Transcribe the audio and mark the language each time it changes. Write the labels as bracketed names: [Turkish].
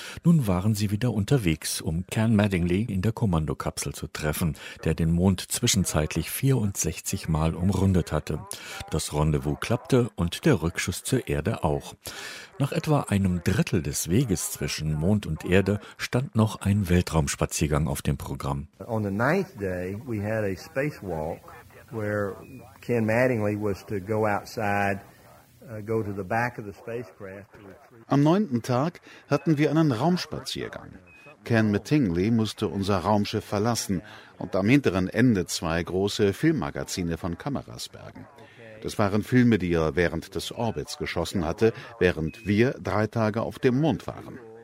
[German] Nun waren sie wieder unterwegs, um Ken Mattingly in der Kommandokapsel zu treffen, der den Mond zwischenzeitlich 64 Mal umrundet hatte. Das Rendezvous klappte und der Rückschuss zur Erde auch. Nach etwa einem Drittel des Weges zwischen Mond und Erde stand noch ein Weltraumspaziergang auf dem Programm. [English] On the ninth day we had a spacewalk, where Ken Mattingly was to go outside, go to the back of the spacecraft. [German] Am neunten Tag hatten wir einen Raumspaziergang. Ken Mattingly musste unser Raumschiff verlassen und am hinteren Ende zwei große Filmmagazine von Kameras bergen. Das waren Filme, die er während des Orbits geschossen hatte, während wir drei Tage auf dem Mond waren.